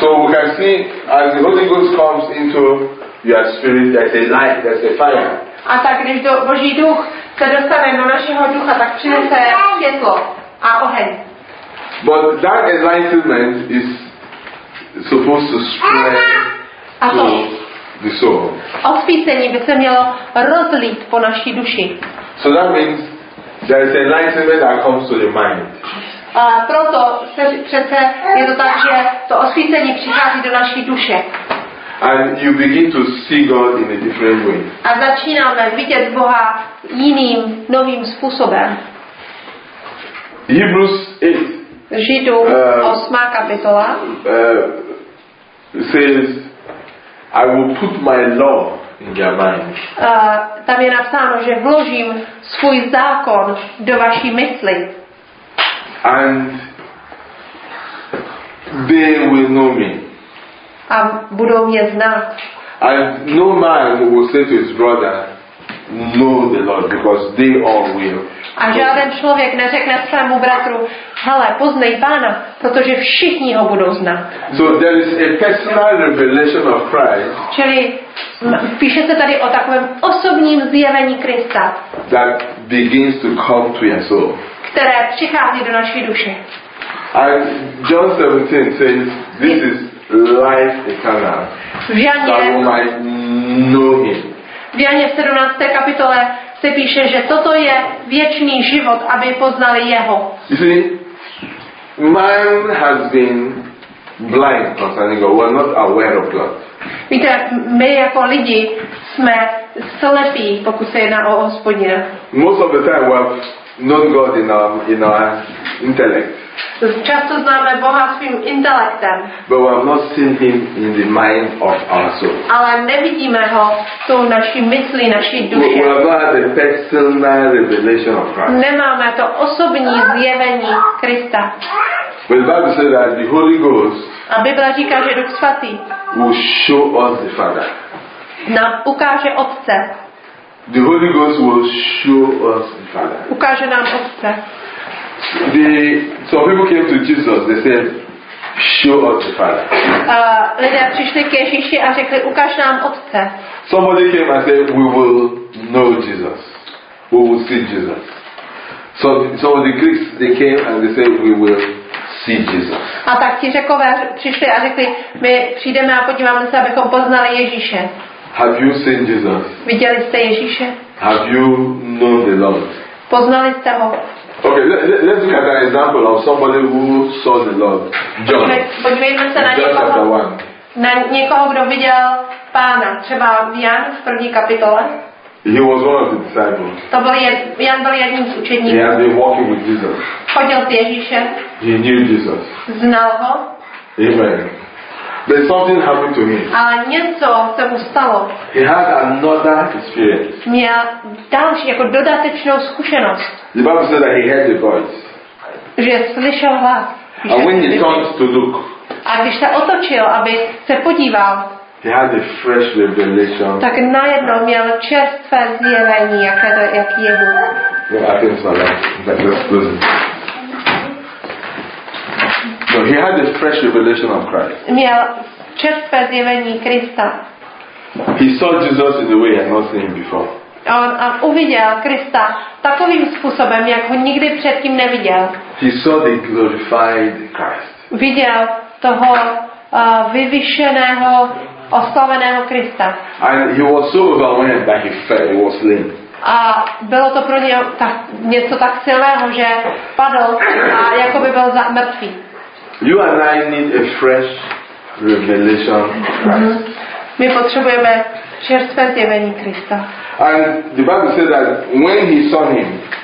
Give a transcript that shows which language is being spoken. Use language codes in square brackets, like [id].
[en] So we can see as the Holy Ghost comes into your spirit, there's a light, there's a fire. [cs] A tak když Boží duch se dostane do našeho ducha, tak přinese světlo a oheň. [en] But that enlightenment is supposed to spread to the soul. [cs] Osvícení by se mělo rozlít po naší duši. [en] So that means there is enlightenment that comes to the mind. [cs] A proto přece je to tak, že to osvícení přichází do naší duše. [en] And you begin to see God in a different way. [cs] A začínáme vidět Boha jiným, novým způsobem. [en] Hebrews 8. [cs] Židům 8. kapitola. [en] Says, I will put my law in your mind. [cs] Tam je napsáno, že vložím svůj zákon do vaší mysli. [en] And they will know me. [cs] A budou mě znát. [en] And no man will say to his brother, know the Lord, because they all will. [cs] A žádný člověk neřekne svému bratru, hele, poznej Pána, protože všichni ho budou znát. [en] So there is a personal revelation of Christ. [cs] Čili píše se tady o takovém osobním zjevení Krista. [en] That begins to come to your soul. [cs] Které přichází do naší duše. [en] And John 17 says, this is life eternal. [cs] V Janě, [en] that we might know him. [cs] V Janě 17. kapitole se píše, že toto je věčný život, aby poznali jeho. [en] You see, man has been blind concerning God. We are not aware of God. [cs] Víte, my jako lidi jsme slepí, pokud se jedná o Hospodina. [en] Most of the time we have known God in our intellect. [cs] Často známe Boha svým intelektem. [en] But we have not seen him in the mind of our soul. [cs] Ale nevidíme ho tou naší myslí, naší duši. [en] We have not had a personal revelation of Christ. [cs] Nemáme to osobní zjevení Krista. [en] When the Bible says that the Holy Ghost, [cs] a Bible říká, že Duch svatý, [en] will show us the Father. [cs] Nám ukáže Otce. [en] The Holy Ghost will show us the Father. [cs] Ukáže nám Otce. [en] Some people came to Jesus. They said, "Show us the Father." [cs] Lidé přišli k Ježíši a řekli, ukáž nám Otce. [en] Somebody came and said, "We will know Jesus. We will see Jesus." So the Greeks, they came and they said, "We will see Jesus." [cs] A tak ti Řekové přišli a řekli, my přijdeme a podíváme se, abychom poznali Ježíše. [en] Have you seen Jesus? [cs] Viděli jste Ježíše? [en] Have you known the Lord? [cs] Poznali jste ho? [en] Okay, let's look at an example of somebody who saw the Lord. John. [cs] Podívejme se na někoho, kdo viděl Pána, třeba Jan v první kapitole. [en] He was one of the disciples. [cs] To byl Jan byl jedním z učeníků. [en] He had been walking with Jesus. [cs] Chodil s Ježíšem. [en] He knew Jesus. [cs] Znal ho. [en] Amen. But something happened to him. [cs] Ale něco se mu stalo. [en] He had another experience. [cs] Měl další jako dodatečnou zkušenost. [en] The Bible says that he heard the voice. [cs] Že slyšel hlas. [en] And when he turned to look. [cs] A když se otočil, aby se podíval. [en] He had a fresh revelation. [cs] Tak najednou měl čerstvé zjevení, jaký je Bůh. [en] Yeah, I think so. That's good. No, he had a fresh revelation of Christ. [cs] Měl čerstvé zjevení Krista. [en] He saw Jesus in the way he had not seen him before. [cs] A uviděl Krista takovým způsobem, jak ho nikdy předtím neviděl. [en] He saw the glorified Christ. [cs] Viděl toho vyvyšeného, oslaveného Krista. [en] And he was so overwhelmed that he fell, he was lame. [cs] A bylo to pro něj něco tak silného, že padl a jako by byl mrtvý. [en] You and I need a fresh revelation of Christ. [cs] My potřebujeme čerstvé zjevení Krista. [en] And the Bible says that when he saw him,